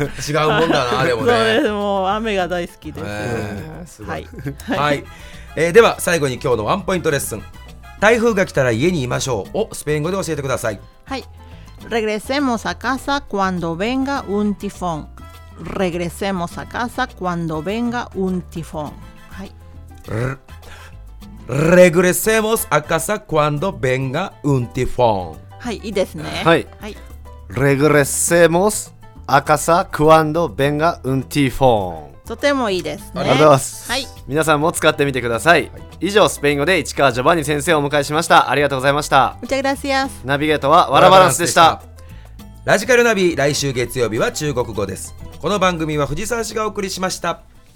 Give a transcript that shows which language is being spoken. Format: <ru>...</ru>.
<ja>違うもんだなあれもね、そうです、もう雨が大好きです、はい、はい、では最後に今日のワンポイントレッスン、台風が来たら家にいましょうをスペイン語で教えてください。はい。</ja> <es>Regresemos a casa cuando venga un tifón. Regresemos a casa cuando venga un tifón.</es> <ja>はい。</ja> <es>Regresemos a casa cuando venga un tifón.</es> <ja>はい、いいですね。はい。はい。</ja> <es>Regresemos a casa cuando venga un tifón.</es> <ja>とてもいいですね。ありがとうございます、はい、皆さんも使ってみてください、はい、以上スペイン語で市川ジョバンニ先生をお迎えしました。ありがとうございました。</ja> <es>Muchas gracias。</es> <ja>ナビゲートはワラバランスでした。ラジカルナビ、来週月曜日は中国語です。この番組は藤沢氏がお送りしました。</ja>